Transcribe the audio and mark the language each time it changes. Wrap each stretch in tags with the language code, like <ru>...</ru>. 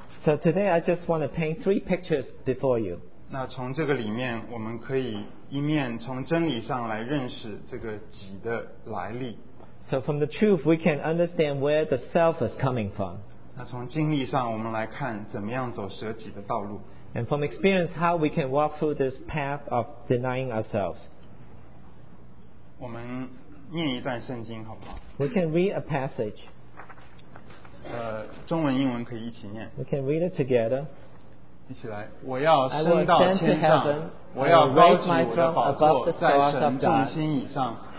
<en>So today I just want to paint three pictures before you.</en> <zh>那从这个里面，我们可以一面从真理上来认识这个己的来历。</zh> <en>So from the truth, we can understand where the self is coming from.</en> <zh>那从经历上，我们来看怎么样走舍己的道路。</zh> <en>And from experience, how we can walk through this path of denying ourselves.</en> <zh>我们念一段圣经好不好？</zh> <en>We can read a passage.</en> <zh>中文英文可以一起念。</zh> <en>We can read it together.</en> <zh>一起来。我要升到天上，</zh> <en>heaven,</en> <zh>我要高举我的宝座在神众星以上。</zh>